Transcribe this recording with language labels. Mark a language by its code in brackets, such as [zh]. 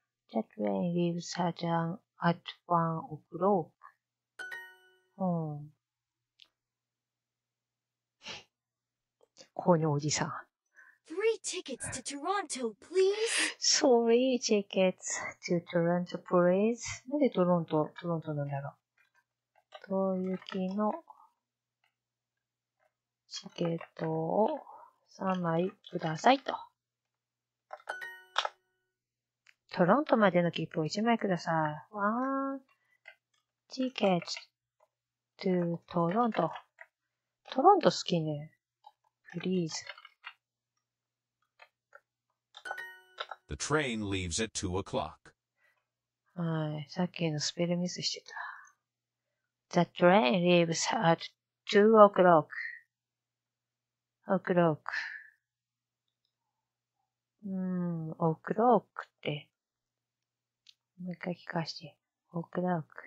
[en] The train leaves at 1 o'clock. [ja] このおじさん。 [en] Three tickets to Toronto, please. Three tickets to Toronto, please. [ja] なんでトロントなんだろう。トヨキのチケットを3枚くださいと。トロントまでの切符を1枚ください。 [en] One ticket to Toronto. [ja] トロント好きね。 [en] Please. The train leaves at 2 o'clock. [ja] はい、さっきのスペルミスしてた。 [en] The train leaves at 2 o'clock. O'clock. [ja] O'clock って。もう一回聞かして。O'clock.